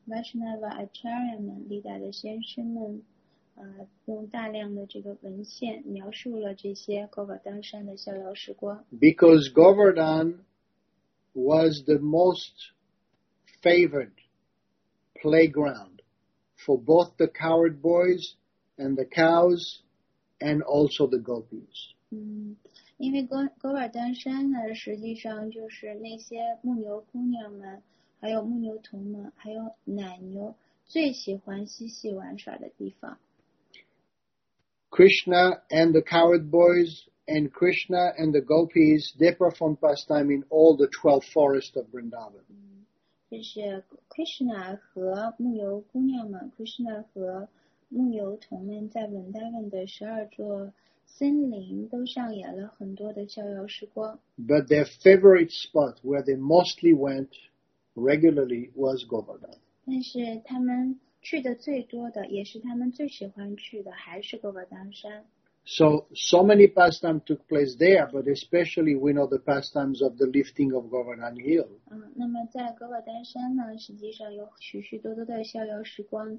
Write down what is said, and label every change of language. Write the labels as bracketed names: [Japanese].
[Chinese] Vaishnava Acharya 们，历代的先生们，用大量的这个文献描述了这些Govardhan山的逍遥时光。 [English] Because Govardhan was the most favored playground for both the coward boys and the cows and also the gopis. [Chinese] 因为戈尔丹山呢，实际上就是那些牧牛姑娘们，还有牧牛童们，还有奶牛最喜欢嬉戏玩耍的地方。 [English] Krishna and the coward boys and Krishna and the gopis, they perform pastime in all the 12 forests of Vrindavan. [Chinese] 就是 Krishna 和牧牛姑娘们 ，Krishna 和牧牛童们在文达文的十二座森林都上演了很多的逍遥时光。 [English] But their favorite spot where they mostly went regularly was Govardhan. [Chinese] 但是他们去的最多的，也是他们最喜欢去的，还是 Govardhan 山。 [English] So many pastimes took place there, but especially we know the pastimes of the lifting of Govardhan Hill. [Chinese] 那么在戈瓦丹山呢，实际上有许许多多的逍遥时光。